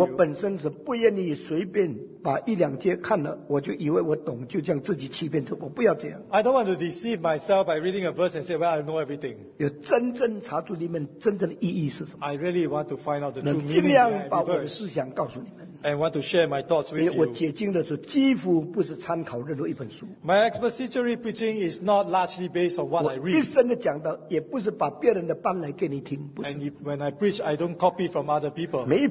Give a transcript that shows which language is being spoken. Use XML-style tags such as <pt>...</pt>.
<zh>我本身是不愿意随便把一两节看了，我就以为我懂，就这样自己欺骗自己，我不要这样。I</zh> <en>don't want to deceive myself by reading a verse and say, well, I know everything.</en> <zh>有真正查出里面真正的意义是什么。</zh> <en>I really want to find out the true meaning.</en> <zh>能尽量把我的思想告诉你们。</zh> <en>And want to share my thoughts with you.</en> <zh>我解经的时候几乎不是参考任何一本书。</zh> <en>My expository preaching is not largely based on what I read.</en> <zh>我一生的讲道也不是把别人的搬来给你听，不是。</zh> <en>And when I preach, I don't copy from other people.</en>